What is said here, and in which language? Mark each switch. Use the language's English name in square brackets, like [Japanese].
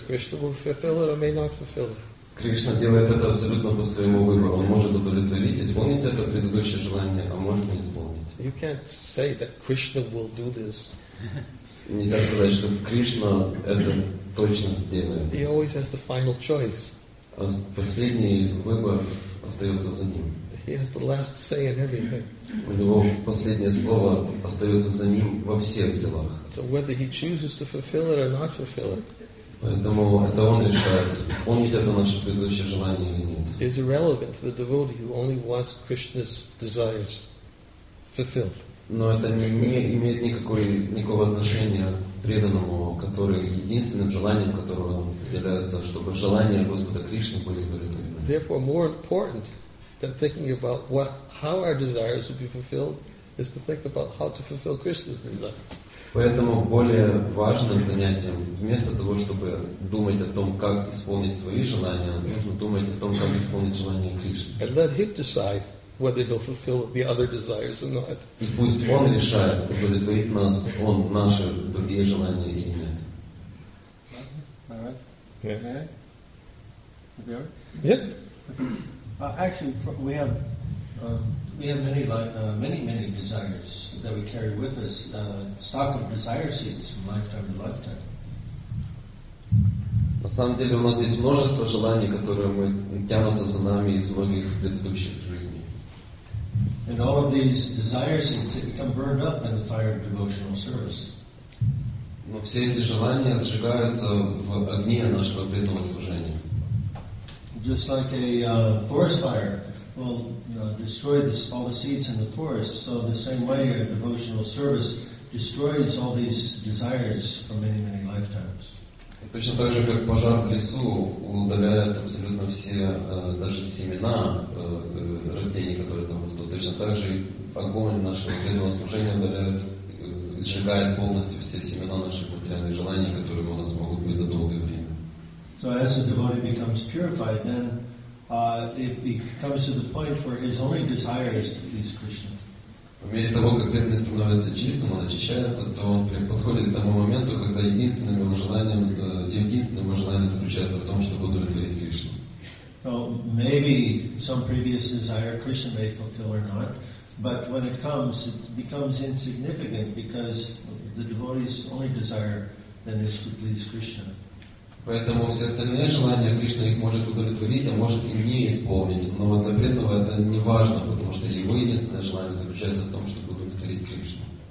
[English] Krishna will fulfill it or may not fulfill it. [Russian] Кришна делает это абсолютно по своему выбору. Он может удовлетворить, исполнить это предыдущее желание, а может не исполнить. [English] You can't say that Krishna will do this. [Russian] Нельзя сказать, что Кришна это точно сделает. [English] He always has the final choice. [Russian] Последний выбор остается за ним. [English] He has the last say in everything. [Russian] У него последнее слово остается за ним во всех делах. [English] So whether he chooses to fulfill it or not fulfill it, [Russian] поэтому это он решает, исполнить это наше предыдущее желание или нет. [English] It's irrelevant to the devotee who only wants Krishna's desires fulfilled. [Russian] Но это не имеет никакого отношения преданному, который единственным желанием которого является, чтобы желания Господа Кришны были удовлетворены. [English] Therefore, more important than thinking about how our desires will be fulfilled is to think about how to fulfill Krishna's desires. [Russian] Поэтому более важным занятием, вместо того, чтобы думать о том, как исполнить свои желания, нужно думать о том, как исполнить желания Кришны. [English] And let him decide whether he'll fulfill the other desires or not. [Russian] И пусть он решает, удовлетворит нас, он наши другие желания или нет. [English] Yes. We have many desires that we carry with us, stock of desire seeds from lifetime to lifetime. [Russian] На самом деле у нас есть множество желаний, которые мы тянутся за нами из многих предыдущих жизней. [English] And all of these desire seeds become burned up in the fire of devotional service. [Russian] Но все эти желания сжигаются в огне нашего преданного служения. [English] Just like a forest fire will destroy all the seeds in the forest, so the same way a devotional service destroys all these desires for many, many lifetimes. [Russian] Точно так же, как пожар в лесу удаляет абсолютно все, даже семена растений, которые там растут, точно так же и огонь нашего преданного служения удаляет, сжигает полностью все семена наших материальных желаний, которые у нас могут быть за долгое время. [English] So as the devotee becomes purified, then it comes to the point where his only desire is to please Krishna. [Russian] По мере того, как преданный становится чистым, он очищается, то он подходит к тому моменту, когда единственным его желанием заключается в том, чтобы удовлетворить Кришну. [English] So maybe some previous desire Krishna may fulfill or not, but when it comes, it becomes insignificant because the devotee's only desire then is to please Krishna. [Russian] Поэтому все остальные желания Кришна их может удовлетворить, а может и не исполнить. Но для преданного это не важно, потому что его единственное желание заключается в том, чтобы удовлетворить Кришну.